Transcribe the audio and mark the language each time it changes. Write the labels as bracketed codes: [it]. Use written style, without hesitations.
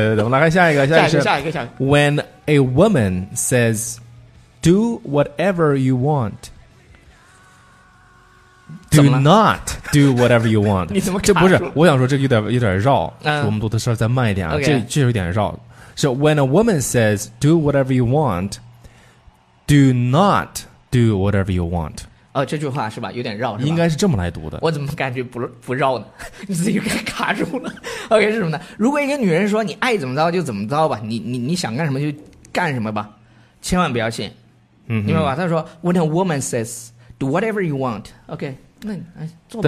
[zh] 对对对，我们来看下一个，下一个是下一个，下一个。 [en] When a woman says, "Do whatever you want," do not do whatever you want。 [zh] 你怎么这不是？我想说这个有点绕，我们读的时候再慢一点啊。 [en] Okay. [zh] 这有点绕。 [en] So when a woman says, "Do whatever you want." Do not do whatever you want。 [zh] 这句话是吧？有点绕，是吧？应该是这么来读的。我怎么感觉不绕呢？你自己给卡住了。OK， 是什么呢？如果一个女人说你爱怎么着就怎么着吧，你想干什么就干什么吧，千万不要信。嗯，明白吧？她说 ， [en] When a woman says do whatever you want， [zh] OK， 那你做吧。